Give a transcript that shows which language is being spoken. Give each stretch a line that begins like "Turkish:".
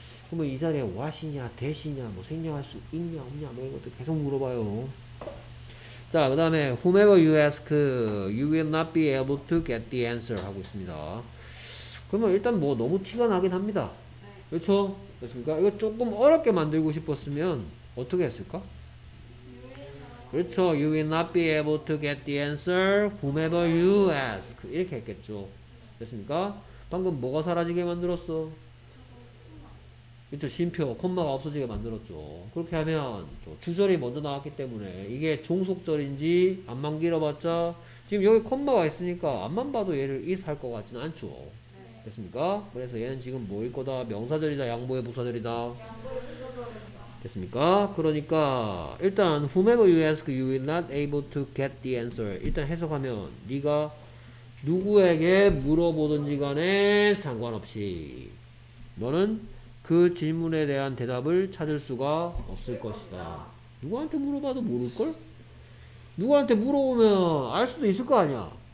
Korean: 그러면 이 자리에 what이냐 that이냐 뭐 생략할 수 있냐 없냐 뭐 이런 것들 계속 물어봐요. 자, 그 다음에
English: whomever you ask you will not be able to get the answer
Korean: 하고 있습니다. 그러면 일단 뭐 너무 티가 나긴 합니다. 그렇죠? 됐습니까? 이거 조금 어렵게 만들고 싶었으면 어떻게 했을까? 그렇죠.
English: You will not be able to get the answer whomever you ask.
Korean: 이렇게 했겠죠. 됐습니까? 방금 뭐가 사라지게 만들었어? 그렇죠. 쉼표, 콤마가 없어지게 만들었죠. 그렇게 하면 주절이 먼저 나왔기 때문에 이게 종속절인지 앞만 길어봤자 지금 여기 콤마가 있으니까 앞만 봐도 얘를 is 할 것 같지는 않죠. 됐습니까? 그래서 얘는 지금 뭐일 거다? 명사절이다? 양보의 부사절이다? 됐습니까? 그러니까 일단
English: whomever you ask you will not able to get the answer.
Korean: 일단 해석하면 네가 누구에게 물어보든지 간에 상관없이 너는 그 질문에 대한 대답을 찾을 수가 없을 것이다. 누구한테 물어봐도 모를걸? 누구한테 물어보면 알 수도 있을 거 아니야.